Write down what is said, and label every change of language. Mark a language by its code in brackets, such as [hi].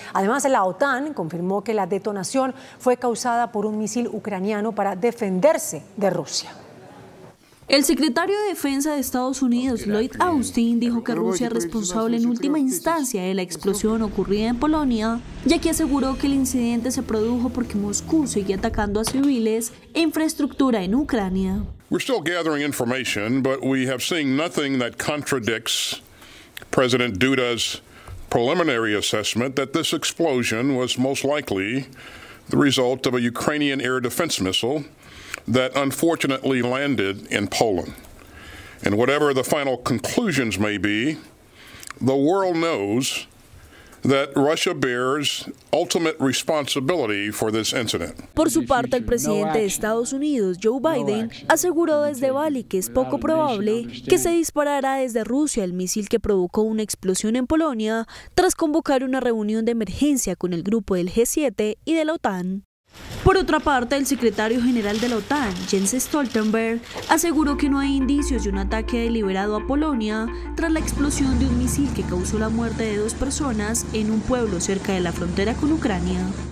[es] Además, la OTAN confirmó que la detonación fue causada por un misil ucraniano para defenderse de Rusia. El secretario de Defensa de Estados Unidos, Lloyd Austin, dijo que Rusia es responsable en última instancia de la explosión ocurrida en Polonia, ya que aseguró que el incidente se produjo porque Moscú seguía atacando a civiles e infraestructura en Ucrania. [en] We're still gathering information, but we have seen nothing that contradicts President Duda's preliminary assessment that this explosion was most likely the result of a Ukrainian air defense missile that unfortunately landed in Poland. And whatever the final conclusions may be, the world knows that Russia bears ultimate responsibility for this incident. [es] Por su parte, el presidente de Estados Unidos, Joe Biden, aseguró desde Bali que es poco probable que se disparara desde Rusia el misil que provocó una explosión en Polonia tras convocar una reunión de emergencia con el grupo del G7 y de la OTAN. Por otra parte, el secretario general de la OTAN, Jens Stoltenberg, aseguró que no hay indicios de un ataque deliberado a Polonia tras la explosión de un misil que causó la muerte de dos personas en un pueblo cerca de la frontera con Ucrania.